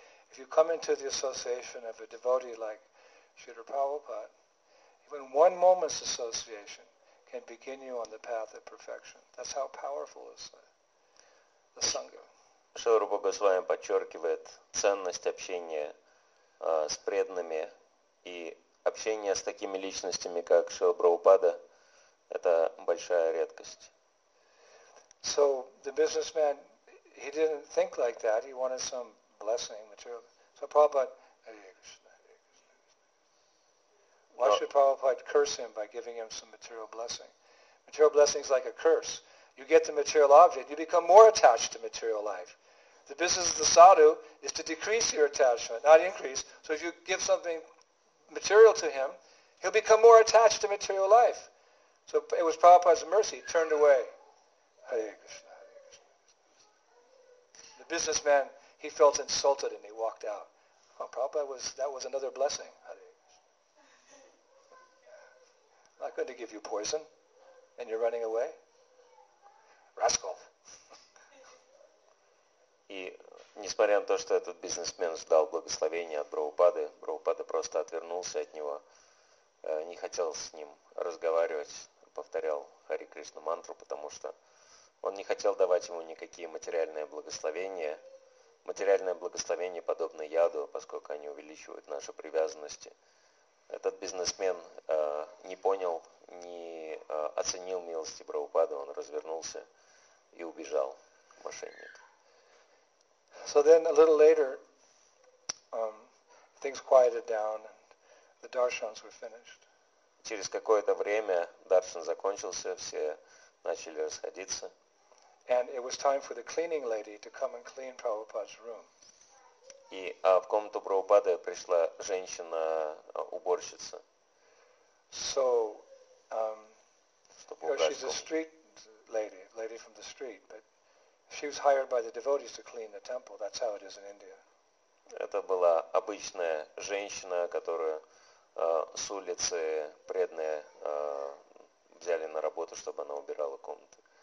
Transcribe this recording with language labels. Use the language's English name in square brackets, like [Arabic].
[English] If you come into the association of a devotee like Srila Prabhupada, even one moment's association can begin you on the path of perfection. That's how powerful is the sangha. [Russian] Шрила Бхагасвами подчеркивает ценность общения с преданными, и общение с такими личностями, как Шрила Прабхупада, это большая редкость. [English] So the businessman, he didn't think like that. He wanted some blessing, material. So Prabhupada, Hare Krishna, Hare Krishna. Why should Prabhupada curse him by giving him some material blessing? Material blessing is like a curse. You get the material object, you become more attached to material life. The business of the sadhu is to decrease your attachment, not increase. So if you give something material to him, he'll become more attached to material life. So it was Prabhupada's mercy, turned away. Hare Krishna. Businessman, he felt insulted and he walked out. Well, Prabhupada that was another blessing. I'm not going to give you poison and you're running away. Rascal. [Russian] И несмотря на то, что этот бизнесмен ждал благословения от Прабхупады, Прабхупада просто отвернулся от него, не хотел с ним разговаривать, повторял Хари Кришна мантру, потому что он не хотел давать ему никакие материальные благословения. Материальное благословение подобно яду, поскольку они увеличивают наши привязанности. Этот бизнесмен не понял, не оценил милости Прабхупады, он развернулся и убежал, мошенник. [English] So then a little later, things quieted down and the darshans were finished. [Russian] Через какое-то время даршан закончился, все начали расходиться. [English] And it was time for the cleaning lady to come and clean Prabhupada's room. [Russian] И в комнату Прабхупады пришла женщина-уборщица. [English] So, she's a street lady from the street, but she was hired by the devotees to clean the temple. That's how it is in India. [Russian] Это была обычная женщина, которую с улицы преданные взяли на работу, чтобы она убирала комнаты.